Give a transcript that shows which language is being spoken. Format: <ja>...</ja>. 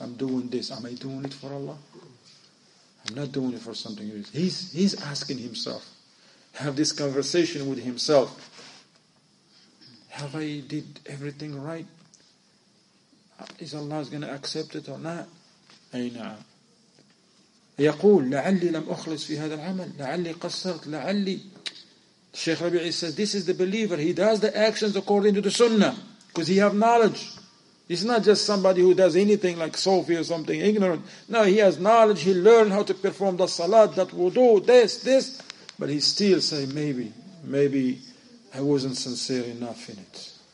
<en>I'm doing this. Am I doing it for Allah? I'm not doing it for something else. He's asking himself. Have this conversation with himself. Have I did everything right? Is Allah going to accept it or not?</en> <ar>Ayna. يقول لعلي لم أخلص في هذا العمل لعلي قصرت لعلي.</ar> <en>Sheikh Rabi'i says this is the believer. He does the actions according to the Sunnah because he have knowledge. He's not just somebody who does anything like Sufi or something ignorant. No, he has knowledge. He learned how to perform the salat, that wudu, this. But he still say maybe. I wasn't sincere enough in it.</en>